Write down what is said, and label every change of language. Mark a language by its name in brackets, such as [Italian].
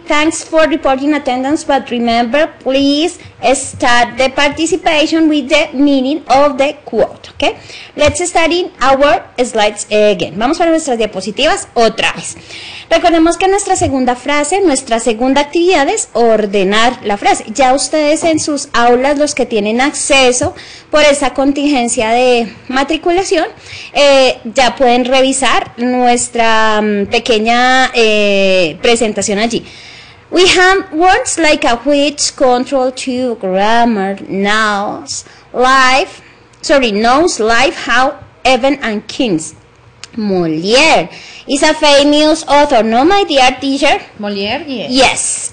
[English] Thanks for reporting attendance, but remember, please start the participation with the meaning of the quote, okay? Let's start in our slides again. [Spanish] Vamos a nuestras diapositivas otra vez. Recordemos que nuestra segunda frase, nuestra segunda actividad es ordenar la frase. Ya ustedes en sus aulas, los que tienen acceso por esa contingencia de matriculación, ya pueden revisar nuestra pequeña presentación allí. [English] We have words like a which, control, to, grammar, nouns, life, sorry, nouns, life, how, even, and kings. Molière is a famous author, no, my dear teacher? Molière, yes.